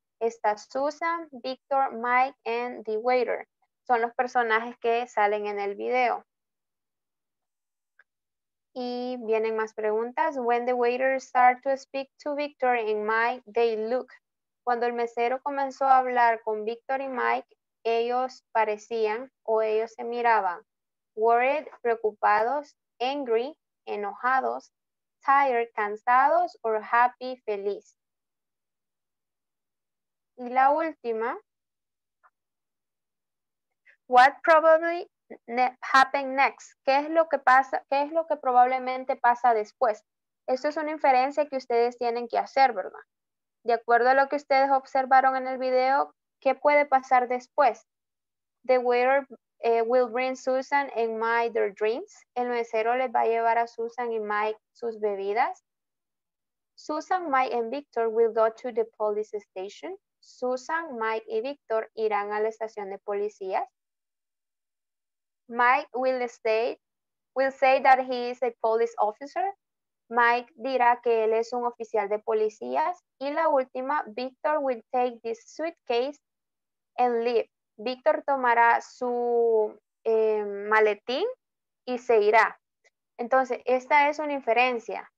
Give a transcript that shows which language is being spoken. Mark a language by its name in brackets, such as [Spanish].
[Spanish] Está [English] Susan, Victor, Mike and the waiter. [Spanish] Son los personajes que salen en el video. Y vienen más preguntas. [English] When the waiter start to speak to Victor and Mike, they look. [Spanish] Cuando el mesero comenzó a hablar con Victor y Mike, ellos parecían o ellos se miraban worried, preocupados, angry, enojados, tired, cansados, or happy, feliz. Y la última. [English] What probably happen next? [Spanish] ¿Qué es lo que pasa? ¿Qué es lo que probablemente pasa después? Esto es una inferencia que ustedes tienen que hacer, ¿verdad? De acuerdo a lo que ustedes observaron en el video, ¿qué puede pasar después? [English] The waiter will bring Susan and Mike their drinks. [Spanish] El mesero les va a llevar a Susan y Mike sus bebidas. [English] Susan, Mike, and Victor will go to the police station. [Spanish] Susan, Mike, y Victor irán a la estación de policías. [English] Mike will say that he is a police officer. [Spanish] Mike dirá que él es un oficial de policías. Y la última, [English] Victor will take this suitcase and leave. [Spanish] Victor tomará su maletín y se irá. Entonces, esta es una inferencia.